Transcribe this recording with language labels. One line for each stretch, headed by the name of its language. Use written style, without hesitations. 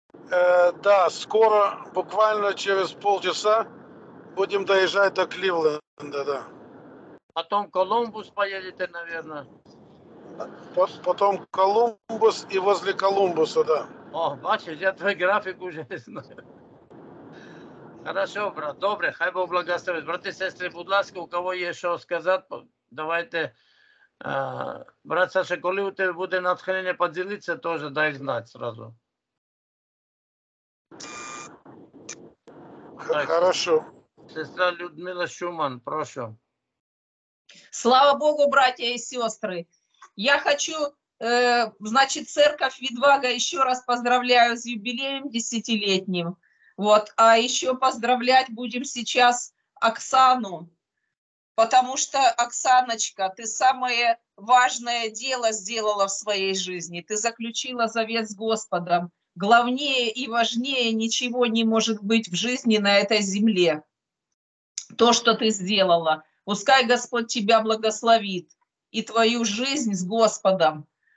Russian: Да, скоро, буквально через полчаса, будем доезжать до Кливленда, да. Потом Колумбус поедете, наверное? Потом Колумбус и возле Колумбуса, да. О, бачишь, я твой график уже знаю. Хорошо, брат.
Ukrainian: Добре, хай Бог благословит. Брати и сестри, будь ласка, у кого є що сказати, давайте. Брат Саша, коли у тебе буде натхнення поділитися, теж дай знати одразу.
Russian: Хорошо.
Ukrainian: Сестра Людмила Шуман, прошу. Слава Богу, братья і сестри. Я хочу, значить, церковь Відвага ще раз поздравляю з юбілеєм 10-літнім.
Russian: Вот, а еще поздравлять будем сейчас Оксану, потому что, Оксаночка, ты самое важное дело сделала в своей жизни, ты заключила завет с Господом, главнее и важнее ничего не может быть в жизни на этой земле, то, что ты сделала, пускай Господь тебя благословит и твою жизнь с Господом,